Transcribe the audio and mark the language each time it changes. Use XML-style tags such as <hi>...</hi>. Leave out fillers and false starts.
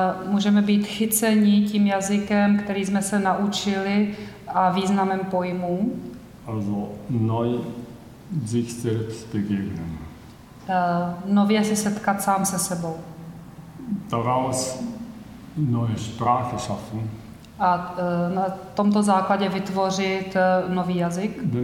<cs>Můžeme být chyceni tím jazykem, který jsme se naučili a významem pojmů.</cs> <de>Also neu sich selbst begegnen.</de> <cs>Nově se setkat sám se sebou.</cs> <de>Daraus neue Sprache schaffen.</de> <cs>A na tomto základě vytvořit nový jazyk.</cs>